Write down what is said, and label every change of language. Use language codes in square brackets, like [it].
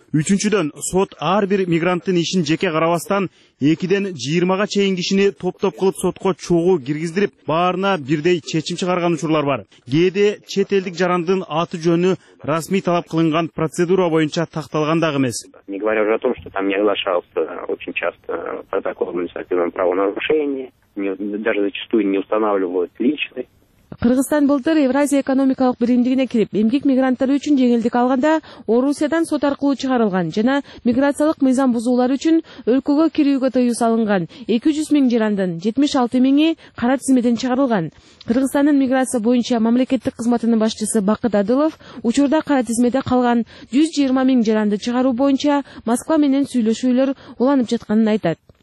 [ky] Үчүнчүдөн, сот ар бир мигранттын ишин жеке карабастан 2-20 чейин кишини топтоп кылып сотко чогуу киргиздирип, баарына бирдей чечим чыгарган учурлар бар. Кээде чет элдик жарандын аты жөнү расмий талап кылынган процедура боюнча такталган дагы эмес. [ru] Не говоря уже о том, что там не оглашался очень часто протокол административного правонарушения, даже зачастую не устанавливают личный. [ky] Кыргызстан былтыр Евразия экономикалык биримдигине кирип, эмгек мигранттары үчүн жеңилдик алганда, Орусиядан сот аркылуу чыгарылган жана миграциялык мыйзам бузуулары үчүн өлкөгө кирүүгө тыюу салынган 200 миң жарандын 76 миңи кара тизмеден чыгарылган. Кыргызстандын миграция боюнча мамлекеттик кызматынын башчысы Бакыт Адылов учурда кара тизмеде калган 120 миң жаранды чыгаруу боюнча Москва менен сүйлөшүүлөр уланып жатканын айтат.